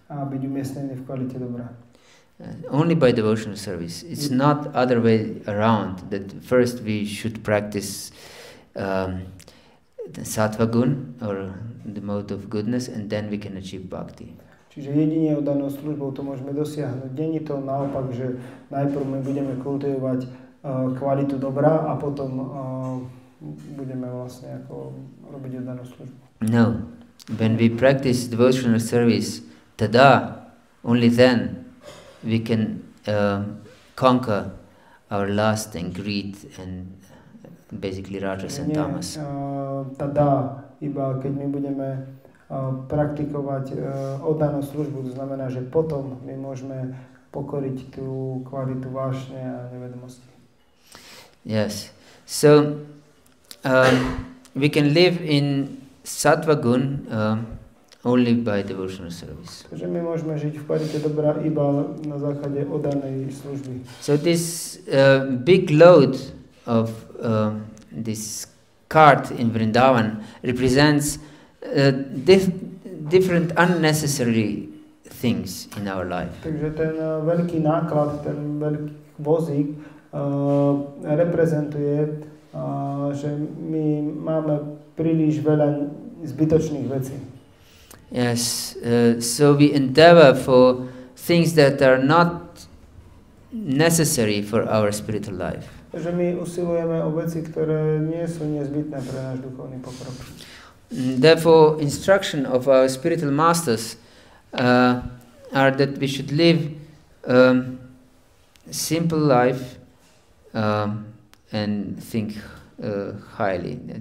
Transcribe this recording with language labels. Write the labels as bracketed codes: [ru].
[sk] A byť umiestnený v kvalite dobra. [en] Only by devotional service. It's not other way around. That first we should practice the sattva gun or the mode of goodness, and then we can achieve bhakti. [sk] Čiže jedine oddanou službou to môžeme dosiahnuť. Není to naopak, že najprv my budeme kultivovať kvalitu dobra a potom budeme vlastne ako robiť oddanou službu. [en] No. When we practice devotional service, tada, only then we can conquer our lust and greed and basically rajas and tamas. [sk] Tada, iba keď my budeme praktikovať oddanú službu, to znamená, že potom my môžeme pokoriť tú kvalitu vášne a nevedomosti. [en] Yes. So, we can live in sattva gun only by devotional service. [sk] Takže my môžeme žiť v kvalite dobra iba na základe oddanej služby. [en] So this big load of this cart in Vrindavan represents different unnecessary things in our life. [sk] Takže ten veľký náklad, ten veľký vozík reprezentuje, že my máme príliš veľa zbytočných vecí. [en] Yes, so we endeavor for things that are not necessary for our spiritual life. [sk] Že my usilujeme o veci, ktoré nie sú nezbytné pre náš duchovný pokrok. [en] Therefore, instruction of our spiritual masters are that we should live simple life and think highly.